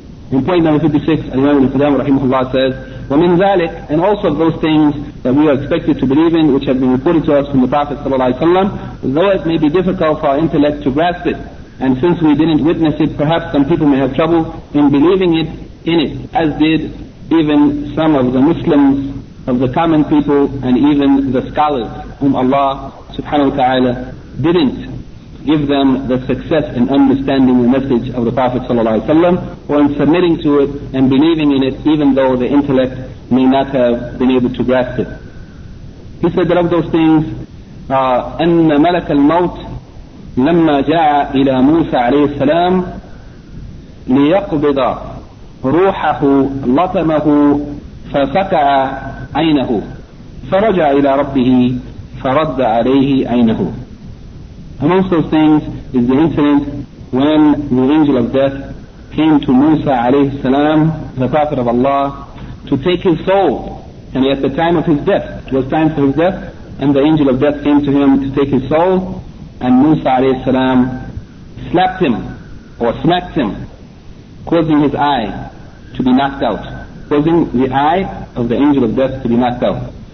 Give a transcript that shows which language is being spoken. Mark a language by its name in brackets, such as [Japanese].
[English] In point number 56, Al-Imam al-Qudam rahimahullah says, وَمِنْ ذَلِكَ, and also of those things that we are expected to believe in, which have been reported to us from the Prophet ﷺ, though it may be difficult for our intellect to grasp it, and since we didn't witness it, perhaps some people may have trouble in believing it in it, as did even some of the Muslims, of the common people, and even the scholars, whom Allah subhanahu wa ta'ala didn't give them the success in understanding the message of the Prophet sallallahu alaihi wasallam, or in submitting to it and believing in it, even though the intellect may not have been able to grasp it. [Arabic] He said that of those things, أن ملك الموت لما جاء إلى موسى عليه السلام ليقبض روحه لطمه فسكع عينه فرجع إلى ربه فرد عليه عينه. [English] Amongst those things is the incident when the angel of death came to Musa alayhi salam, the Prophet of Allah, to take his soul. And at the time of his death, it was time for his death, and the angel of death came to him to take his soul, and Musa alayhi salam slapped him, or smacked him, causing his eye to be knocked out, causing the eye of the angel of death to be knocked out.